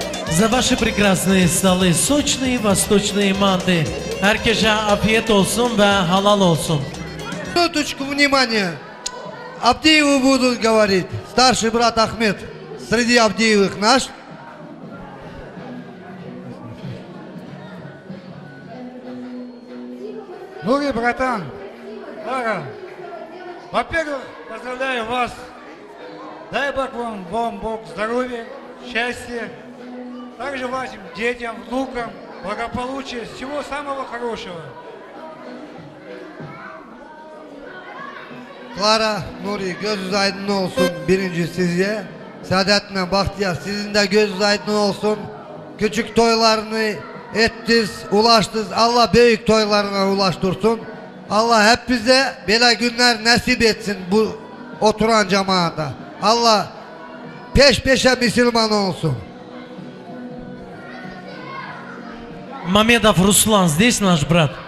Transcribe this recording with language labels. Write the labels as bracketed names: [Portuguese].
[Russian] За ваши прекрасные столы, сочные восточные манты. [Turkish] Herkese afiyet olsun ve halal olsun. [Russian] Минуточку внимания. Абдиевы будут говорить. Старший брат Ахмед среди Абдиевых наш. Ну и братан, Лара, во-первых, поздравляю вас. Дай Бог вам, Бог здоровья, счастья. Также вашим детям, внукам, благополучия, всего самого хорошего. [Turkish] Клара, Нури, gözünüz aydın olsun. Birinci sizce. Saadet ve Bahtiyar, sizin de gözünüz aydın olsun. Küçük toylarını ettiniz, ulaştınız. Allah büyük toylarına ulaştırsın. Allah hepimize böyle günler nasip etsin bu oturan cemaata. Allah peş peşe Müslüman olsun. [Russian] Mamedov Ruslan, здесь наш брат.